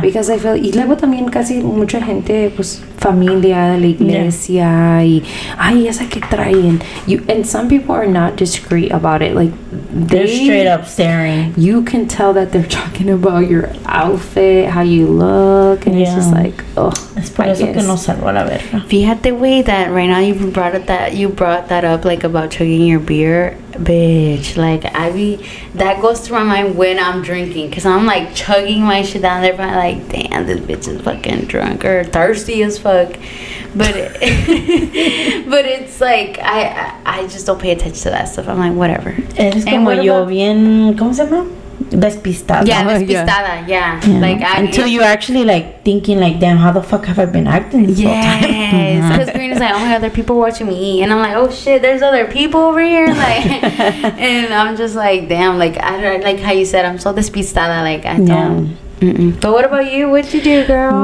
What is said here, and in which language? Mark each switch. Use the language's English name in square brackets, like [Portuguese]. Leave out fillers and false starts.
[English] Because I feel, [Spanish] y luego también casi mucha gente, pues, familia, la iglesia, [English] yeah. [Spanish] y, ay, esa que traen. [English] You, and some people are not discreet about it. Like, they're straight up staring. You can tell that they're talking about your outfit, how you look, and yeah. it's just like, ugh. [Spanish] Es por eso que no salgo a la verga. Fíjate, güey, [English] that right now you brought that up, like, about chugging your beer. Bitch, like, I be, that goes through my mind when I'm drinking, because I'm, like, chugging my shit down there, but I'm like, damn, this bitch is fucking drunk or thirsty as fuck. But but it's like, I just don't pay attention to that stuff. I'm like, whatever. [Spanish] Es como yo bien, ¿cómo se llama? Despistada. [English] Yeah, despistada. Yeah. Like, until you're actually like thinking, like, damn, how the fuck have I been acting this yes. whole time? Yes. Because Green is like, oh my god, there are people watching me eat. And I'm like, oh shit, there's other people over here. Like, and I'm just like, damn, like, I don't like how you said, I'm so despistada. Like, I don't. Yeah. Mm-mm. But what about you? What'd you do, girl?